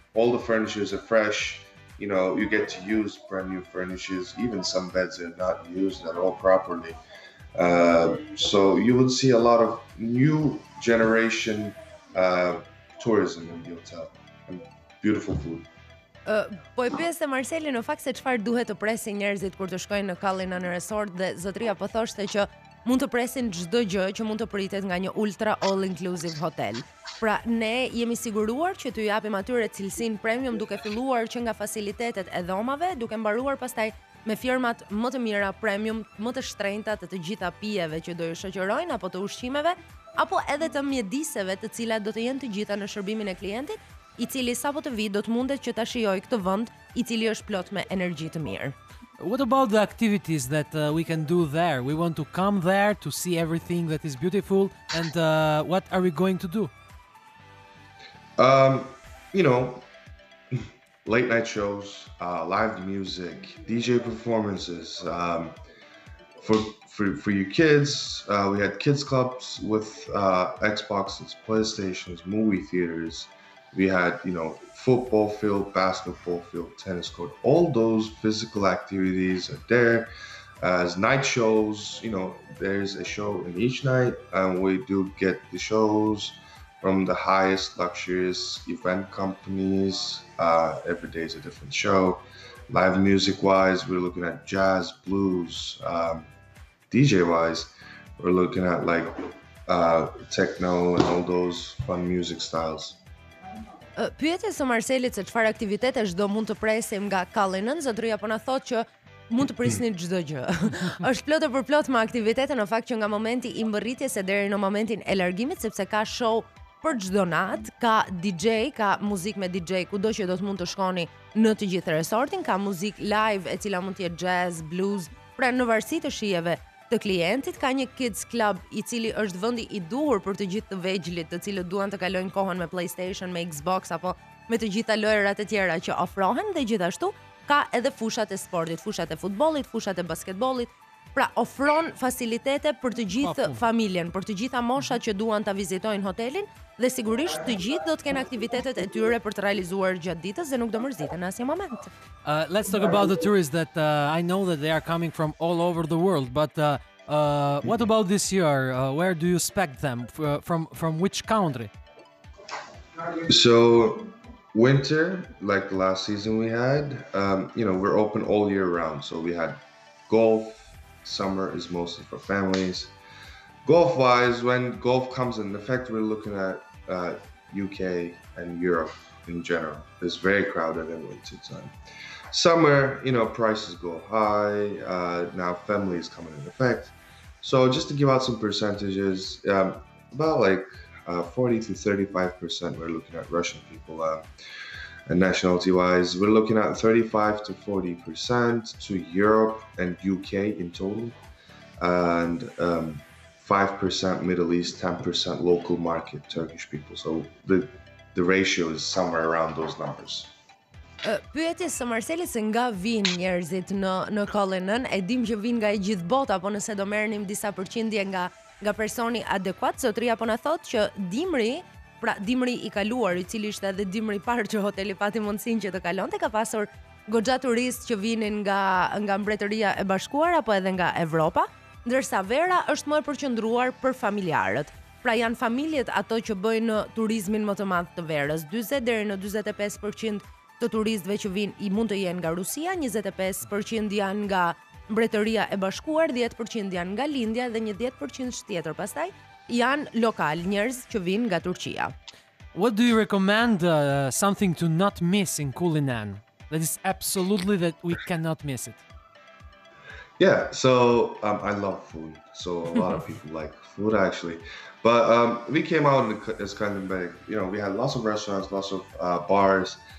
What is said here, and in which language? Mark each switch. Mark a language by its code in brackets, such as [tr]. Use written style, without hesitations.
[en] All the furnitures are fresh. You know, you get to use brand new furnitures. Even some beds are not used at all properly. So you would see a lot of new generation tourism in the hotel and beautiful food. [sq] Po e pyeste Marseli në fakt se çfarë duhet të presin njerëzit kur të shkojnë në Cullinan Resort dhe zotria po thoshte që mund të presin çdo gjë që mund të pritet nga një ultra all inclusive hotel. Pra ne jemi siguruar që t'ju japim atyre cilësinë premium duke filluar që nga facilitetet e dhomave, duke mbaruar pastaj me firmat më të mira premium, më të shtrenjta të gjitha pijeve që do ju shoqërojnë apo të ushqimeve, apo edhe të mjediseve të cilat do të jenë të gjitha në shërbimin e klientit, I cili sapo të vijë do të mundet që ta shijojë këtë vend I cili është plot me energji të mirë. [en] What about the activities that we can do there? We want to come there to see everything that is beautiful and what are we going to do? You know, late night shows, live music, DJ performances. For you kids, we had kids clubs with Xboxes, PlayStations, movie theaters. We had, you know, football field, basketball field, tennis court. All those physical activities are there. As night shows, you know, there's a show in each night, and we do get the shows from the highest luxurious event companies. Every day is a different show. Live music-wise, we're looking at jazz, blues. DJ-wise, we're looking at, like, techno and all those fun music styles. [sq] Pyetjes së Marselit se çfarë aktivitetesh do mund të presim nga Cullinan, zotria po na thotë që mund të prisni çdo gjë. Është plotë për plot me aktivitete në fakt që nga momenti I mbërritjes e deri në momentin e largimit sepse ka show për çdo natë, ka DJ, ka muzikë me DJ kudo që do të mund të shkoni në të gjithë resortin, ka muzikë live e cila mund të jetë jazz, blues, pra në varësi të shijeve të klientit, ka një kids club I cili është vendi I duhur për të gjithë të vegjlit të cilët duan të kalojnë kohën me PlayStation, me Xbox apo me të gjitha lojrat e tjera që ofrohen dhe gjithashtu ka edhe fushat e sportit, fushat e futbolit, fushat e basketbolit, pra ofron facilitete për të gjithë familjen, për të gjitha moshat që duan të vizitojnë hotelin dhe sigurisht të gjithë do të kenë aktivitetet e tyre për të realizuar gjatë ditës dhe nuk do mërziten në asnjë moment. [en] Let's talk about the tourists that I know that they are coming from all over the world, but what about this year? Where do you expect them? From which country? So, winter, like the last season we had, you know, we're open all year round. So we had golf, summer is mostly for families. Golf-wise, when golf comes in effect, we're looking at UK and Europe in general. It's very crowded in winter time. Summer, you know, prices go high. Now family is coming in effect. So just to give out some percentages, about like 40 to 35% we're looking at Russian people. And nationality-wise, we're looking at 35 to 40% to Europe and UK in total. And 5% Middle East, 10% local market, Turkish people. So the ratio is somewhere around those numbers. [sq] Pyetjes së Marselit se nga vinë njerëzit në Cullinan, e dim që vinë nga e gjithë bota, po nëse do merrnim disa përqindje nga personi adekuat, zotria po na thotë që dimri, pra dimri I kaluar, I cili ishte edhe dimri I parë që hoteli pati mundësinë që të kalonte, ka pasur goxha turistë që vinin nga Mbretëria e Bashkuar apo edhe nga Evropa. Ndërsa vera është më e përqendruar për familjarët. Pra janë familjet ato që bëjnë turizmin më të madh të verës. 40 deri në 45% të turistëve që vinë I mund të jenë nga Rusia, 25% janë nga Mbretëria e Bashkuar, 10% janë nga Lindja dhe një 10% tjetër pastaj janë lokal njerëz që vinë nga Turqia. [en] What do you recommend something to not miss in Cullinan? That is absolutely that we cannot miss it. Yeah, so I love food, so a lot of people like food, actually. But we came out in this kind of bag, you know, we had lots of restaurants, lots of bars.